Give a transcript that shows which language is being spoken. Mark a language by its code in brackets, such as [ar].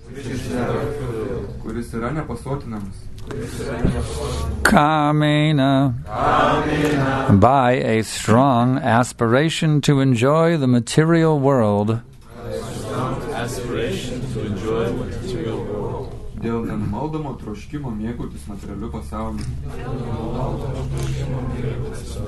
[lt] Kuris yra nepasotinamas. Kamena. Kamena. [en] By a strong aspiration to enjoy the material world. [lt] Dėl nenumaldomo troškimo mėgautis materialiu pasauliu.